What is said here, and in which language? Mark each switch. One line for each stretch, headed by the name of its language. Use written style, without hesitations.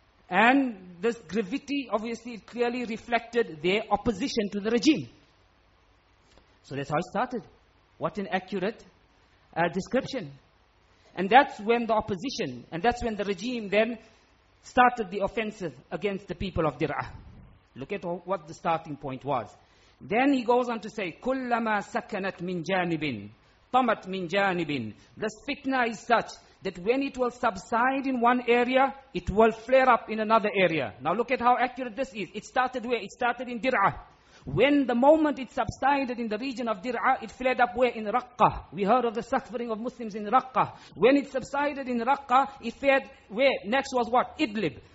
English: And this graffiti, obviously, it clearly reflected their opposition to the regime. So that's how it started. What an accurate description. And that's when the opposition, and that's when the regime then started the offensive against the people of Dir'ah. Look at what the starting point was. Then he goes on to say,
Arabic: كُلَّمَا سَكَّنَتْ مِنْ جَانِبٍ طَمَتْ مِنْ جَانِبٍ.
English: This fitna is such that when it will subside in one area, it will flare up in another area. Now look at how accurate this is. It started where? It started in Dir'ah. When the moment it subsided in the region of Dir'ah, it flared up where? In Raqqa. We heard of the suffering of Muslims in Raqqa. When it subsided in Raqqa, it flared where? Next was what? Idlib.